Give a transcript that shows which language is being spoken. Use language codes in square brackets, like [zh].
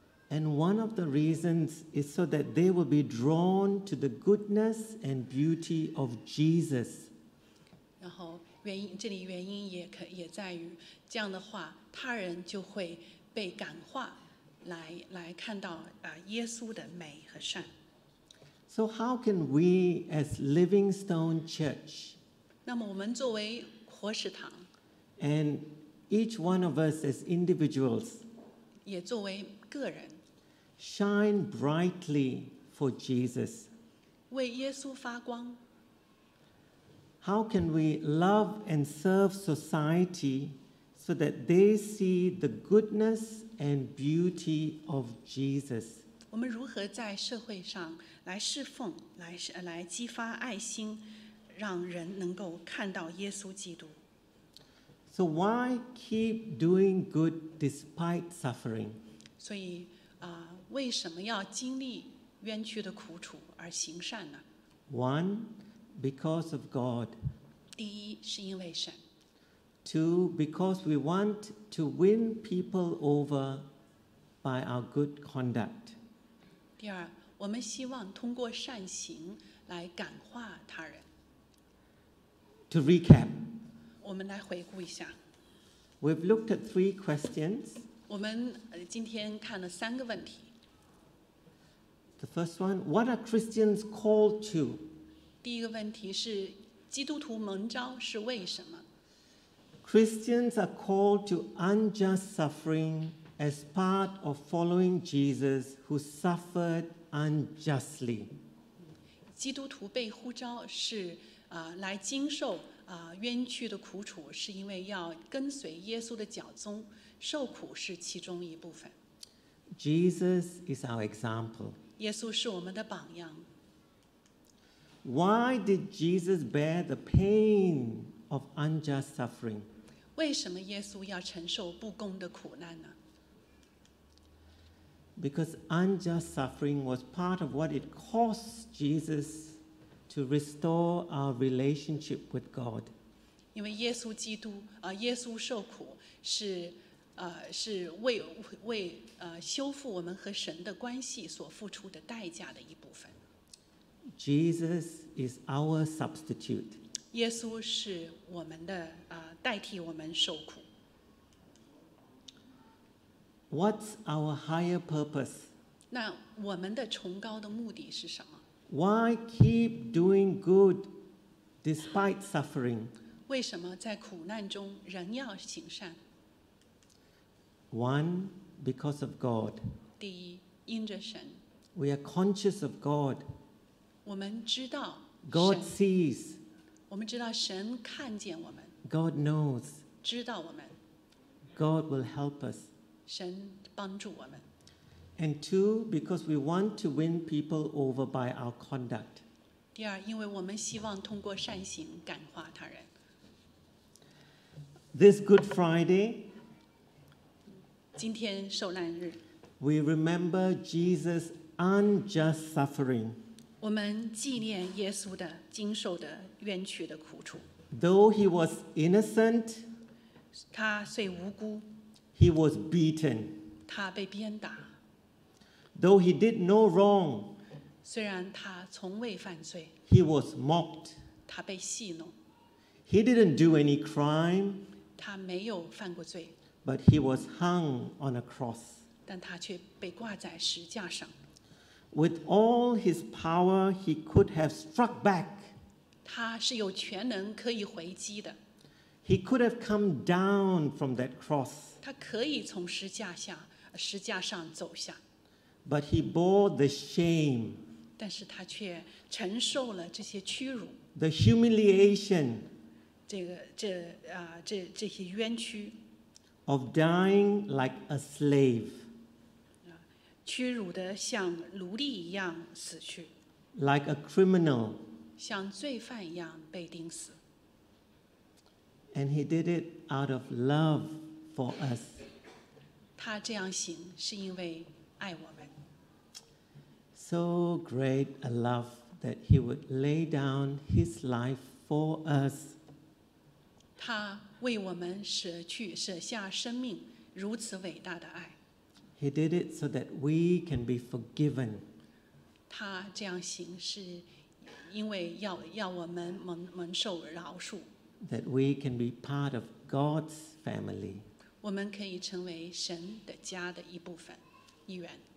[en] And one of the reasons is so that they will be drawn to the goodness and beauty of Jesus. [zh] 然后原因这里原因 也在于这样的话他人就会被感化 来看到耶稣的美和善。 [en] So how can we as Livingstone Church [zh] 那么我们作为活石堂 [en] and each one of us as individuals [zh] 也作为个人 [en] shine brightly for Jesus [zh] 为耶稣发光。 [en] How can we love and serve society so that they see the goodness and beauty of Jesus? [zh] 我们如何在社会上来侍奉，来激发爱心，让人能够看到耶稣基督？ [en] So why keep doing good despite suffering? [zh] 所以为什么要经历冤屈的苦楚而行善呢？ [en] One,Because of God. [zh] 第一是因为神。 [en] Two, because we want to win people over by our good conduct. [zh] 第二，我们希望通过善行来感化他人。 [en] To recap. [zh] 我们来回顾一下。 [en] We've looked at three questions. [zh] 我们今天看了三个问题。 [en] The first one, what are Christians called to? [zh] 第一个问题是基督徒蒙召是为什么 [en] ？Christians are called to unjust suffering as part of following Jesus who suffered unjustly. [zh] 基督徒被呼召是来经受冤屈的苦楚，是因为要跟随耶稣的脚踪，受苦是其中一部分。 [en] Jesus is our example. [zh] 耶稣是我们的榜样。 [en] Why did Jesus bear the pain of unjust suffering? [zh] 为什么耶稣要承受不公的苦难呢？ [en] Because unjust suffering was part of what it cost Jesus to restore our relationship with God. [zh] 因为耶稣基督耶稣受苦是为修复我们和神的关系所付出的代价的一部分。 [en] Jesus is our substitute. [zh] 耶稣是我们的代替我们受苦。 [en] What's our higher purpose? [zh] 那我们的崇高的目的是什么？ [en] Why keep doing good despite suffering? [zh] 为什么在苦难中仍要行善？ [en] One, because of God. [zh] 第一，因着神。 [en] We are conscious of God. [zh] 我们知道 [en] God sees. [zh] 我们知道神看见我们 [en] God knows. [zh] 知道我们 [en] God will help us. [zh] 神帮助我们。 [en] And two, because we want to win people over by our conduct. [zh] 第二，因为我们希望通过善行感化他人。 [en] This Good Friday, [zh] 今天受难日。 [en] We remember Jesus' unjust suffering. [zh] 我们纪念耶稣的经受的冤屈的苦楚。 [en] Though he was innocent, [zh] 他虽无辜。 [en] He was beaten. [zh] 他被鞭打。 [en] Though he did no wrong, [zh] 虽然他从未犯罪。 [en] He was mocked. [zh] 他被戏弄。 [en] He didn't do any crime. [zh] 他没有犯过罪。 [en] But he was hung on a cross. [zh] 但他却被挂在十字架上。 [en] With all his power, he could have struck back. [zh] 他是有全能可以回击的。 [en] He could have come down from that cross. [zh] 他可以从十字架上走下。 [en] But he bore the shame. [zh] 但是他却承受了这些屈辱。 [en] The humiliation. [zh] 这些冤屈。 [en] Of dying like a slave. [zh] 屈辱的像奴隶一样死去。 [en] Like a criminal. [zh] 像罪犯一样被钉死。 [en] And he did it out of love for us. [zh] 他这样行是因为爱我们。 [en] So great a love that he would lay down his life for us. [zh] 他为我们舍去舍下生命，如此伟大的爱。 [en] He did it so that we can be forgiven. [zh] 他这样行是因为要我们蒙受饶恕。 [en] That we can be part of God's family. [zh] 我们可以成为神的家的一部分，一员。